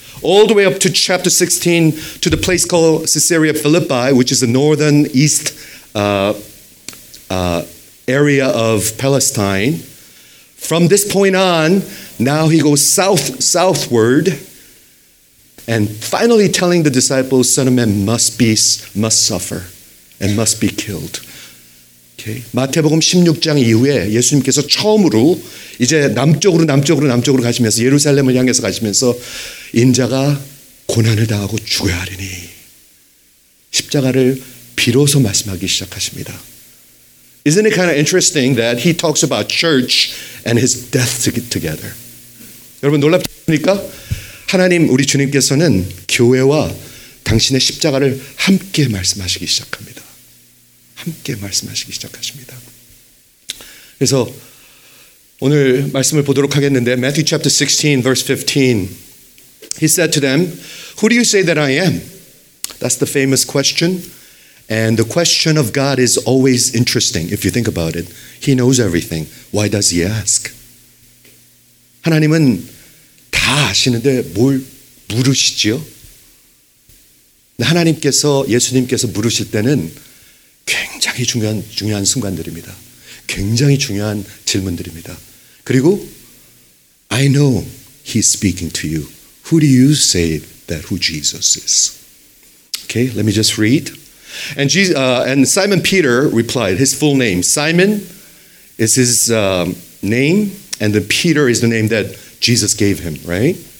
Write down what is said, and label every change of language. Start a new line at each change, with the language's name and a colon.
English: All the way up to chapter 16 to the place called Caesarea Philippi, which is the northern east area of Palestine. From this point on, now he goes southward and finally telling the disciples, Son of Man must suffer and must be killed. Okay.
Korean: 마태복음 16장 이후에 예수님께서 처음으로 이제 남쪽으로 가시면서 예루살렘을 향해서 가시면서 인자가 고난을 당하고 죽어야 하리니 십자가를 비로소 말씀하기 시작하십니다.
English: Isn't it kind of interesting that he talks about church and his death together?
Korean: 여러분 놀랍습니까? 하나님 우리 주님께서는 교회와 당신의 십자가를 함께 말씀하시기 시작합니다. 함께 말씀하시기 시작하십니다. 그래서 오늘 말씀을 보도록 하겠는데
English: Matthew chapter 16 verse 15 He said to them, Who do you say that I am? That's the famous question. And the question of God is always interesting if you think about it. He knows everything. Why does he ask?
Korean: 하나님은 다 아시는데 뭘 물으시지요? 하나님께서 예수님께서 물으실 때는 굉장히 중요한 순간들입니다. 굉장히 중요한 질문들입니다. 그리고
English: I know he's speaking to you. Who do you say that who Jesus is? Okay, let me just read. And Jesus, and Simon Peter replied, his full name. Simon is his name, and the Peter is the name that Jesus gave him, right?